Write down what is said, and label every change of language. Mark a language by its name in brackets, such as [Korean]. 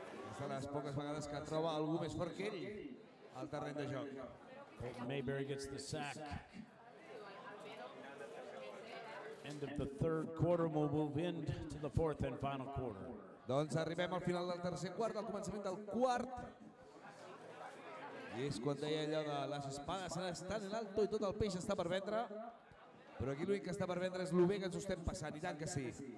[Catalan] És de les poques vegades que troba algú més fort que ell al terreny de joc. [English] Colton Mayberry gets the sack. End of the third quarter, we'll move into the fourth and final quarter. [Catalan] Doncs arribem al final del tercer quart, al començament del quart. I és quan deia allò de les espades estan [Spanish] en alto [Catalan] i tot el peix està per vendre. Però aquí l'únic que està per vendre és el bé que ens ho estem passant, i tant que sí.